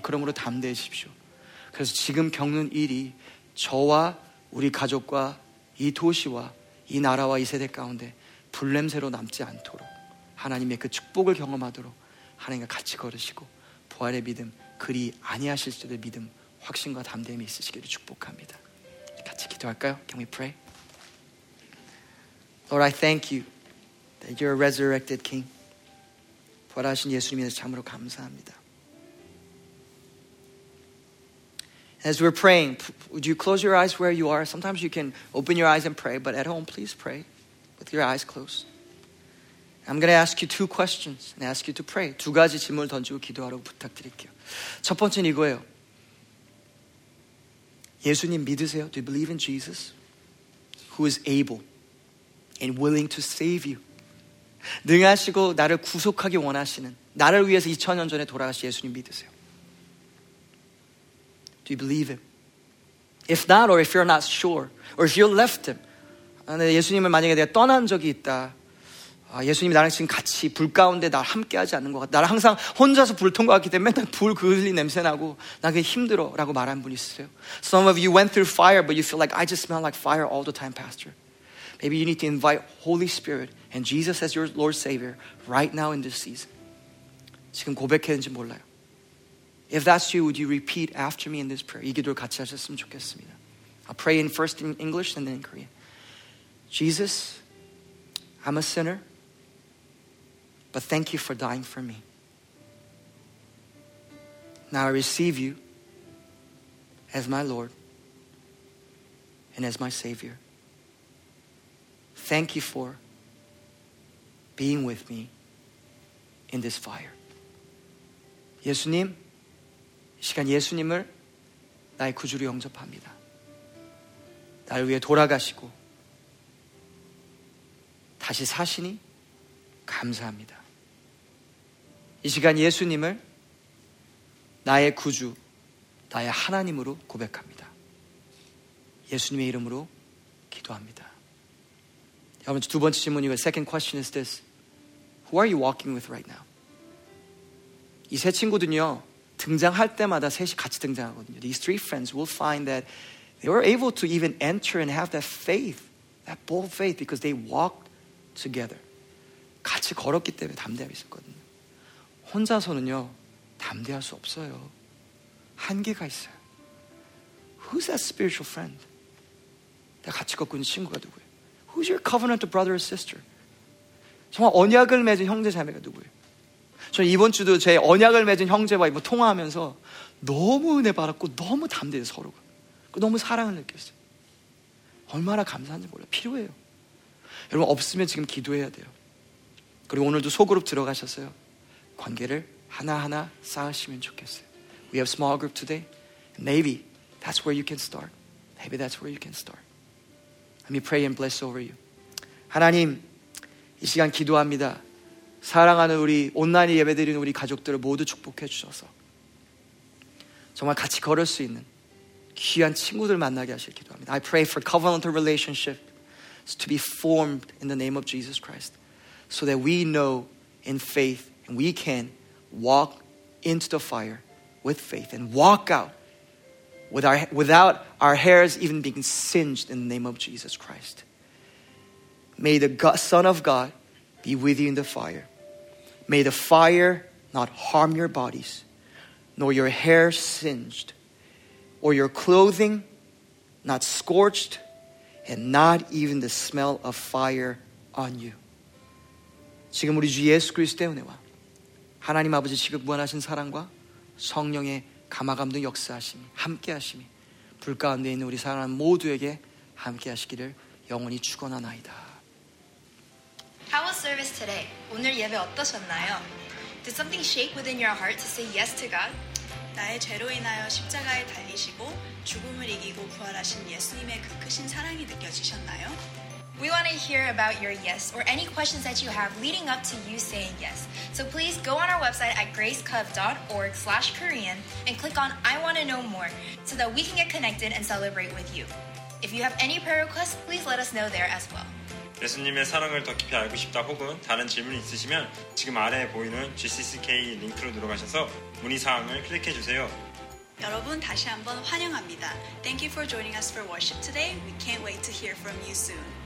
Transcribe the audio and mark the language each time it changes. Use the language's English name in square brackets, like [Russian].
[Korean] 그러므로 담대해십시오. 그래서 지금 겪는 일이 저와 우리 가족과 이 도시와 이 나라와 이 세대 가운데 불냄새로 남지 않도록 하나님의 그 축복을 경험하도록 하나님과 같이 걸으시고 부활의 믿음, 그리 아니하실지라도 믿음, 확신과 담대함이 있으시기를 축복합니다. 같이 기도할까요? [English] Can we pray? Lord, I thank you that you're a resurrected king. [Korean] 부활하신 예수님에서 참으로 감사합니다. [English] As we're praying, would you close your eyes where you are? Sometimes you can open your eyes and pray, but at home, please pray with your eyes closed. I'm going to ask you two questions and ask you to pray. [Korean] 두 가지 질문을 던지고 기도하라고 부탁드릴게요. 첫 번째는 이거예요. 예수님 믿으세요? [English] Do you believe in Jesus who is able and willing to save you? [Korean] 능하시고 나를 구속하기 원하시는 나를 위해서 2000년 전에 돌아가신 예수님 믿으세요? [English] Do you believe him? If not, or if you're not sure, or if you left him. [Korean] 예수님을 만약에 내가 떠난 적이 있다. 아, 예수님이 나랑 지금 같이 불 가운데 나를 함께하지 않는 것 같다. 나를 항상 혼자서 불 통과 같기 때문에 맨날 불 그을린 냄새 나고 나 그게 힘들어 라고 말한 분 있으세요? [English] Some of you went through fire, but you feel like I just smell like fire all the time, Pastor. Maybe you need to invite Holy Spirit and Jesus as your Lord Savior right now in this season. [Korean] 지금 고백했는지 몰라요. [English] If that's you, would you repeat after me in this prayer? [Korean] 이 기도를 같이 하셨으면 좋겠습니다. [English] I'll pray in first in English and then in Korean. Jesus, I'm a sinner, but thank you for dying for me. Now I receive you as my Lord and as my Savior. Thank you for being with me in this fire. [Korean] 예수님, 이 시간 예수님을 나의 구주로 영접합니다. 나를 위해 돌아가시고 다시 사시니 감사합니다. 이 시간 예수님을 나의 구주, 나의 하나님으로 고백합니다. 예수님의 이름으로 기도합니다. 여러분, 두 번째 질문이고 [English] second question is this. Who are you walking with right now? [Korean] 이 세 친구들은요. 등장할 때마다 셋이 같이 등장하거든요. [English] These three friends will find that they were able to even enter and have that faith, that bold faith, because they walked together. [Korean] 같이 걸었기 때문에 담대함이 있었거든요. 혼자서는요, 담대할 수 없어요. 한계가 있어요. [English] Who's that spiritual friend? [Korean] 내가 같이 걷고 있는 친구가 누구예요? [English] Who's your covenant brother or sister? [Korean] 정말 언약을 맺은 형제 자매가 누구예요? 저 이번 주도 제 언약을 맺은 형제와 뭐 통화하면서 너무 은혜 받았고 너무 담대해 서로가 너무 사랑을 느꼈어요. 얼마나 감사한지 몰라요. 필요해요. 여러분 없으면 지금 기도해야 돼요. 그리고 오늘도 소그룹 들어가셨어요. 관계를 하나하나 쌓으시면 좋겠어요. [English] We have small group today. Maybe that's where you can start. Maybe that's where you can start. Let me pray and bless over you. [Korean] 하나님 이 시간 기도합니다. 사랑하는 우리 온라인 예배드리는 우리 가족들을 모두 축복해 주셔서 정말 같이 걸을 수 있는 귀한 친구들 만나게 하실 기도합니다. [English] I pray for covenantal relationships to be formed in the name of Jesus Christ so that we know in faith and we can walk into the fire with faith and walk out without our hairs even being singed in the name of Jesus Christ. May the Son of God be with you in the fire. May the fire not harm your bodies, nor your hair singed, or your clothing not scorched, and not even the smell of fire on you. [Korean] 지금 우리 주 예수 그리스도의 은혜와 하나님 아버지 지극 무한하신 사랑과 성령의 감화감동 역사하심이 함께하심이 불 가운데 있는 우리 사랑하는 모두에게 함께하시기를 영원히 축원하나이다. [English] How was service today? [Korean] 오늘 예배 어떠셨나요? [English] Did something shake within your heart to say yes to God? [Korean] 나의 죄로 인하여 십자가에 달리시고 죽음을 이기고 부활하신 예수님의 그 크신 사랑이 느껴지셨나요? [English] We want to hear about your yes or any questions that you have leading up to you saying yes. So please go on our website at gracecov.org/korean and click on I want to know more so that we can get connected and celebrate with you. If you have any prayer requests, please let us know there as well. [Korean] 예수님의 사랑을 더 깊이 알고 싶다 혹은 다른 질문 있으시면 지금 아래에 보이는 GCCK 링크로 들어가셔서 문의사항을 클릭해주세요. 여러분 다시 한번 환영합니다. [English] Thank you for joining us for worship today. We can't wait to hear from you soon.